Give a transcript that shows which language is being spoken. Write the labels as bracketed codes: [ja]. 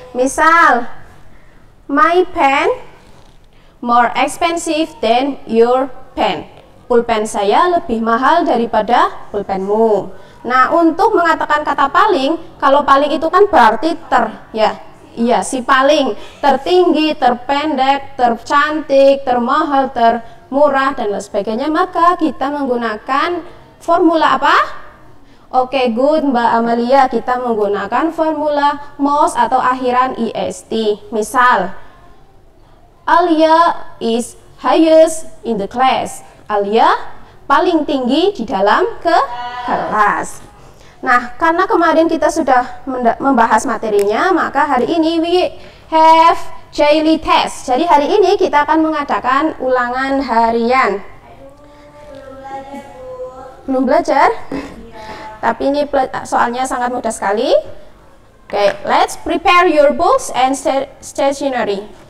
[id] Misal, [en] my pen more expensive than your pen. [id] Pulpen saya lebih mahal daripada pulpenmu. Nah, untuk mengatakan kata paling, kalau paling itu kan berarti ter, ya. Iya, si paling, tertinggi, terpendek, tercantik, termahal, termurah, dan lain sebagainya. Maka kita menggunakan formula apa? Oke, [en] okay, good [id] Mbak Amalia, kita menggunakan formula most atau akhiran IST. Misal, [en] Alia is highest in the class. [id] Alia paling tinggi di dalam kelas. Nah, karena kemarin kita sudah membahas materinya, maka hari ini [en] we have daily test. [id] Jadi hari ini kita akan mengadakan ulangan harian. Aduh, belum belajar, Bu. Belum belajar? Iya. Tapi ini soalnya sangat mudah sekali. Oke, [en] okay, let's prepare your books and stationery.